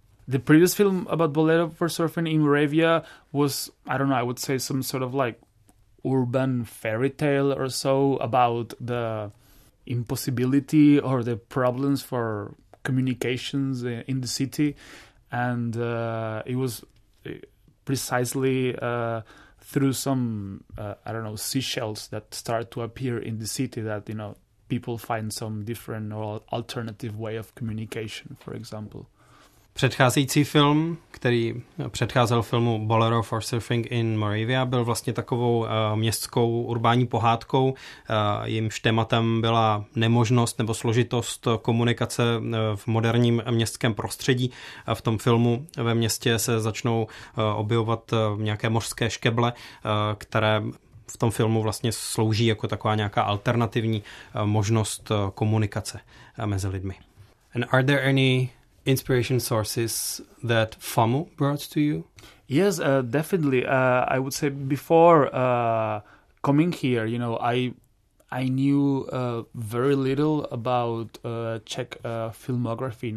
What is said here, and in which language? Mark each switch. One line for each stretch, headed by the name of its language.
English: The previous film about Bolero for Surfing in Moravia was, I don't know, I would say some sort of like urban fairy tale or so about the impossibility or the problems for communications in the city. And it was precisely... through some, I don't know, seashells that start to appear in the city that, you know, people find some different or alternative way of communication, for example.
Czech: Předcházející film, který předcházel filmu Bolero for Surfing in Moravia, byl vlastně takovou městskou urbánní pohádkou. Jímž tématem byla nemožnost nebo složitost komunikace v moderním městském prostředí. V tom filmu ve městě se začnou objevovat nějaké mořské škeble, které v tom filmu vlastně slouží jako taková nějaká alternativní možnost komunikace mezi lidmi.
English: And are there any inspiration sources that FAMU brought to you? Yes, definitely. I would say before coming here, you know, I knew very little about Czech filmography.